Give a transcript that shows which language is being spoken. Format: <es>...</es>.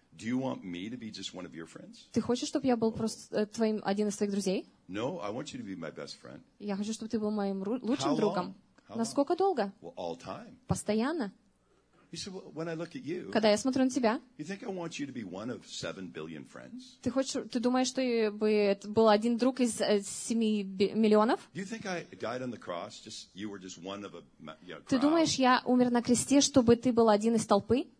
<en>Do you want me to be just one of your friends?</en> <ru>Ты хочешь, чтобы я был просто твоим один из твоих друзей?</ru> <en>No, I want you to be my best friend.</en> <ru>Я хочу, чтобы ты был моим лучшим другом. Насколько долго?</ru> <en>Well, all time.</en> <ru>Постоянно.</ru> <en>He said, well, when I look at you,</en> <ru>когда я смотрю на тебя,</ru> <en>you think I want you to be one of 7 billion friends?</en> <ru>Ты хочешь, ты думаешь, что бы это был один друг из 7 миллионов?</ru> <en>Do you think I died on the cross, just you were just one of a, you know, crowd?</en> <ru>Ты думаешь, я умер на кресте, чтобы ты был один из толпы?</ru>